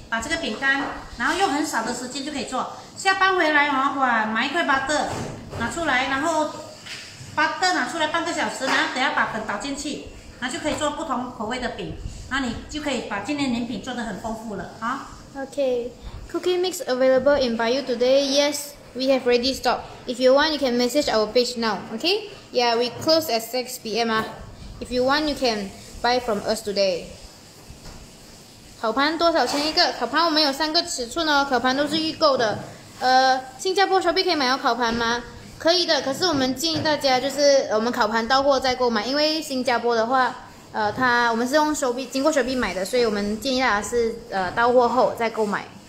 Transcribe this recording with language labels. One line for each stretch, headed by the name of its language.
Chinese: 把这个饼干，然后用很少的时间就可以做。下班回来，哇，买一块 butter 拿出来，然后 butter 拿出来半个小时，然后等下把粉倒进去，然后就可以做不同口味的饼。然后你就可以把今年年饼做得很丰富了，好。
English: Okay, cookie mix available in Bayou today. Yes, we have ready stock. If you want, you can message our page now. Okay? Yeah, we close at 6 p.m. If you want, you can buy from us today.
Chinese: 烤盘多少钱一个？烤盘我们有三个尺寸哦，烤盘都是预购的。新加坡 Shopee 可以买到烤盘吗？可以的，可是我们建议大家就是我们烤盘到货再购买，因为新加坡的话，它我们是用 Shopee 经过 Shopee 买的，所以我们建议大家是到货后再购买。